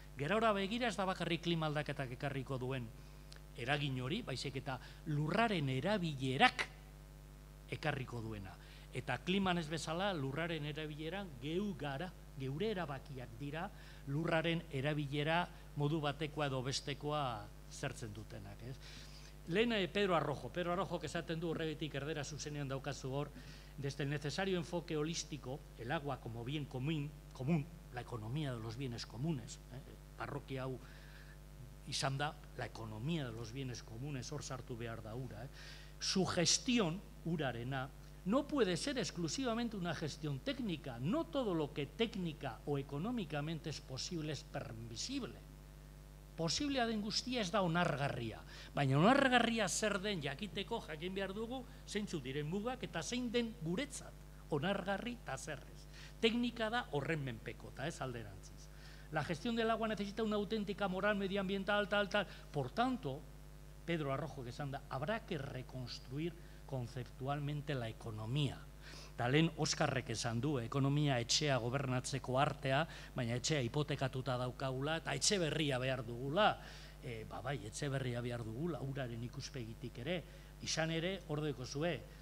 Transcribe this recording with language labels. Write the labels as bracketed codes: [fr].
[eu] Geraora begira ez da bakarrik klima aldaketak ekarriko duen eragin hori, baizik eta lurraren erabilerak ekarriko duena. Eta kliman ez bezala lurraren erabilera geu gara, geure erabakiak dira, lurraren erabilera modu batekoa edo bestekoa zertzen dutenak, ez? Lehen Pedro Arrojo esaten du horregatik erdera zuzenean daukazu hor, [es] desde el necesario enfoque holístico, el agua como bien común, la economía de los bienes comunes, [eu] parroquia hau izan da, [es] la economía de los bienes comunes, [eu] hor sartu behar da ura, [es] su gestión, [eu] urarena, [es] no puede ser exclusivamente una gestión técnica, no todo lo que técnica o económicamente es posible es permisible. [eu] Posiblea den guztia ez da onargarria, baina onargarria zer den jakiteko jakin behar dugu zeintzu diren mugak eta zein den guretzat onargarri eta zerrez. Teknika da horren menpeko, eta ez alderantziz. [es] La gestión del agua necesita una auténtica moral medioambiental, tal. Por tanto, Pedro Arrojo [eu] esan da, [es] habrá que reconstruir conceptualmente la economía. [eu] Talen Oskarrek esan du, ekonomia etxea gobernatzeko artea, baina etxea hipotekatuta daukagula, eta etxe berria behar dugula, bai, etxe berria behar dugula, uraren ikuspegitik ere, izan ere, ordeko zue,